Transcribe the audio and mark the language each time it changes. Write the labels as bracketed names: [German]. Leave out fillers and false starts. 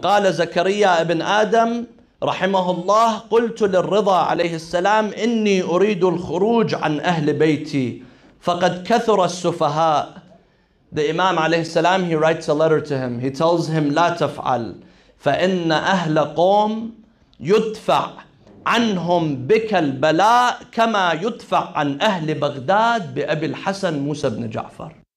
[Arabic] قال زكريا ابن آدم رحمه الله قلت للرضا عليه السلام إني أريد الخروج عن أهل بيتي فقد كثر السفهاء. [English] The Imam عليه السلام, he writes a letter to him. He tells him [Arabic] لا تفعل فإن أهل قوم يدفع عنهم بك البلاء كما يدفع عن أهل بغداد بأبي الحسن موسى بن جعفر.